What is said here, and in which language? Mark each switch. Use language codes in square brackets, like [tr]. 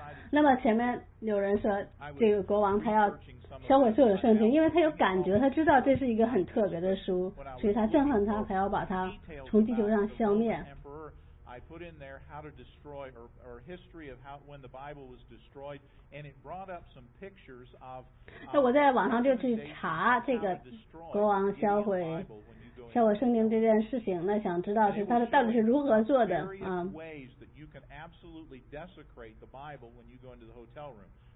[zh] 那么前面有人说这个国王他要销毁所有的圣经，因为他有感觉，他知道这是一个很特别的书，所以他憎恨他，他要把它从地球上消灭。 [en] I put in there how to destroy or history of how when the Bible was destroyed, and it brought up some pictures of. [zh] 那我在网上就去查这个国王销毁圣经这件事情，那想知道是他到底是如何做的啊？ [en] Ways that you can absolutely desecrate the Bible when you go into the hotel room.